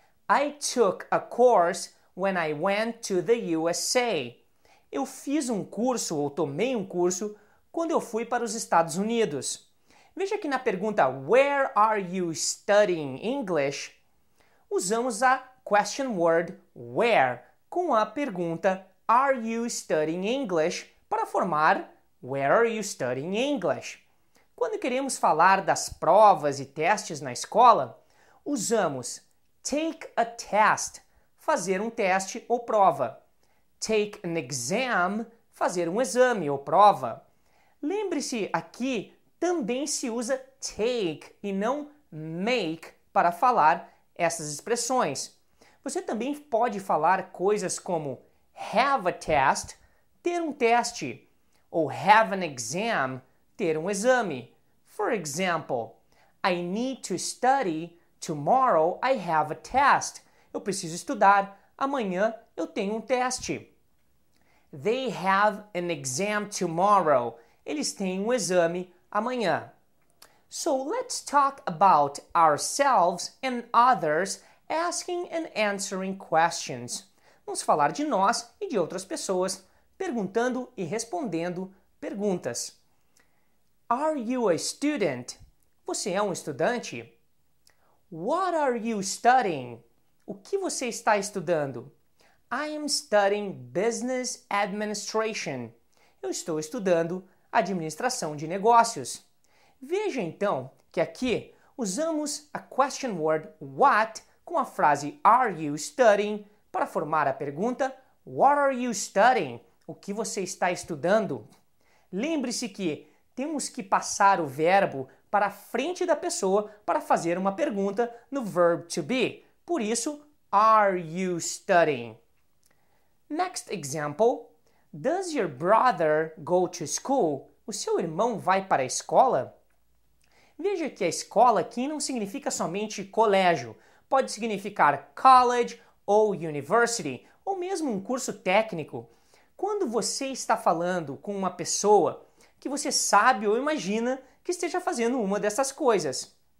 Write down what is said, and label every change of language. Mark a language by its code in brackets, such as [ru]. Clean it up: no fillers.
[en] I took a course when I went to the USA. [pt] Eu fiz um curso, ou tomei um curso, quando eu fui para os Estados Unidos. Veja que na pergunta [en] Where are you studying English? [pt] Usamos a [en] question word where [pt] com a pergunta [en] Are you studying English? [pt] Para formar [en] Where are you studying English? [pt] Quando queremos falar das provas e testes na escola, usamos [en] take a test, [pt] fazer um teste ou prova. [en] Take an exam, [pt] fazer um exame ou prova. Lembre-se aqui, também se usa take e não make para falar essas expressões. Você também pode falar coisas como [en] have a test, [pt] ter um teste, ou [en] have an exam, [pt] ter um exame. [en] For example, I need to study, tomorrow I have a test. [pt] Eu preciso estudar, amanhã eu tenho um teste. [en] They have an exam tomorrow. [pt] Eles têm um exame amanhã. [en] So let's talk about ourselves and others asking and answering questions. [pt] Vamos falar de nós e de outras pessoas perguntando e respondendo perguntas. [en] Are you a student? [pt] Você é um estudante? [en] What are you studying? [pt] O que você está estudando? [en] I am studying business administration. [pt] Eu estou estudando administração de negócios. Veja então que aqui usamos a question word what com a frase [en] are you studying [pt] para formar a pergunta [en] what are you studying? [pt] O que você está estudando? Lembre-se que temos que passar o verbo para a frente da pessoa para fazer uma pergunta no verb to be. Por isso, [en] are you studying? Next example, does your brother go to school? [pt] O seu irmão vai para a escola? Veja que a escola aqui não significa somente colégio. Pode significar college ou university, ou mesmo um curso técnico. Quando você está falando com uma pessoa que você sabe ou imagina que esteja fazendo uma dessas coisas.